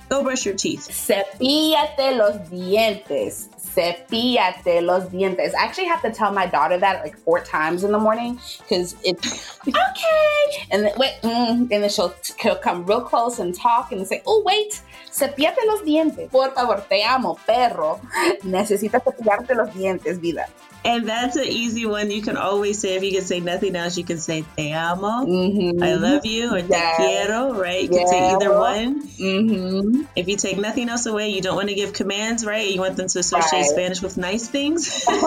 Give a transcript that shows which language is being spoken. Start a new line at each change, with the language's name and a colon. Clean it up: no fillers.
Spanish: Cepíllate los dientes. cepillate los dientes.
English: I actually have to tell my daughter that like 4 times in the morning because it's okay. And then, wait, and then she'll come real close and talk and say, oh, wait,
Spanish: cepillate los dientes. Por favor, te amo, perro. Necesitas cepillarte los dientes, vida.
English: And that's an easy one you can always say. If you can say nothing else, you can say
Spanish: te amo,
English: I love you, or
Spanish: te quiero,
English: right? You can say either one. If you take nothing else away, you don't want to give commands, right? You want them to associate Spanish with nice things.